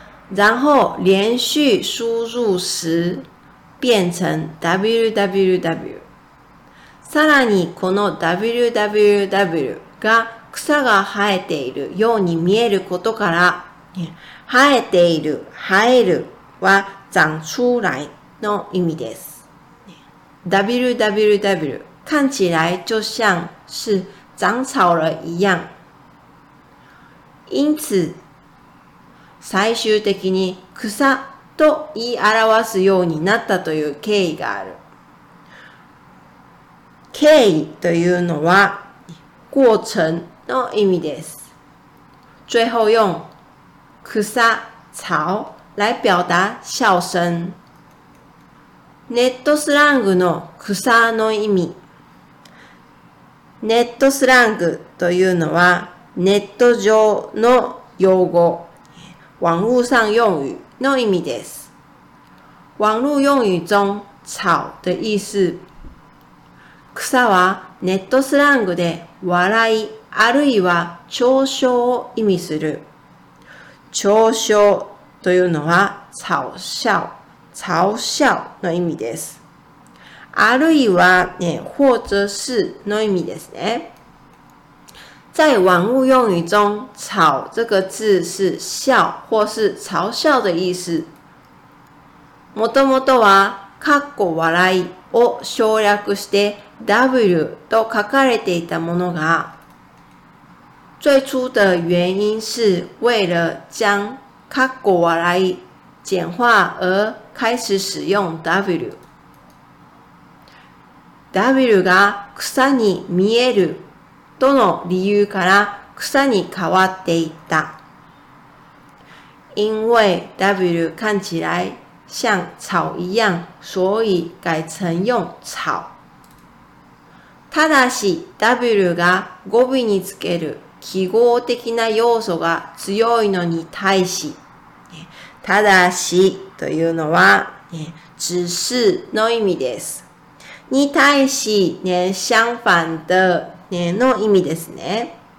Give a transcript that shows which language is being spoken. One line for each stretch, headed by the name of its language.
Chinese: 然后、連续输入时、变成 www。
Japanese: さらに、この www が草が生えているように見えることから、生えている、生えるは、長出来の意味です。 www。
Chinese: 看起来就像是长草了一样。
Japanese: 因此、最終的に草と言い表すようになったという経緯がある。経緯というのは、过程の意味です。
Chinese: 最后用草、草来表达笑声。
Japanese: ネットスラングの草の意味。ネットスラングというのはネット上の用語、
Chinese: 网络上用语
Japanese: の意味です。
Chinese: 网络用语中草的意思、
Japanese: 草はネットスラングで笑いあるいは嘲笑を意味する。嘲笑というのは嘲笑、嘲笑の意味です。あるいは、或者是の意味ですね。
Chinese: 在网络用语中、草这个字是笑或是嘲笑的意思。
Japanese: もともとは、かっこ笑いを省略して W と書かれていたものが、
Chinese: 最初的原因是为了将かっこ笑い简化而开始使用 W。
Japanese: W が草に見えるとの理由から草に変わっていった。
Chinese: 因为 W 看起来像草一样，所以改成用草。
Japanese: ただし W が語尾につける記号的な要素が強いのに対し、ただしというのは只是の意味です。に対し、相反的、の意味ですね。